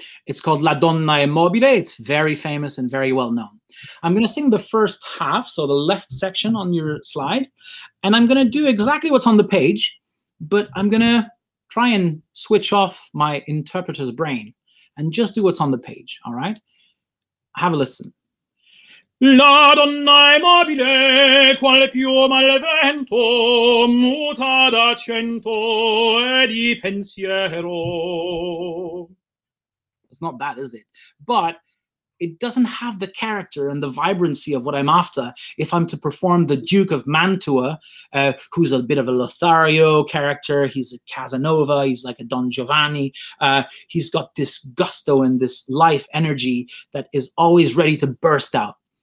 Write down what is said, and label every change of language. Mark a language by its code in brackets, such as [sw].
[en] It's called La Donna e Mobile. It's very famous and very well known. I'm going to sing the first half, so the left section on your slide, and I'm going to do exactly what's on the page, but I'm going to try and switch off my interpreter's brain and just do what's on the page, all right? Have a listen. [it] La donna è mobile, qual più malvento, muta d'accento e di pensiero. [en] It's not bad, is it? But it doesn't have the character and the vibrancy of what I'm after if I'm to perform the Duke of Mantua, who's a bit of a Lothario character. He's a Casanova. He's like a Don Giovanni. He's got this gusto and this life energy that is always ready to burst out.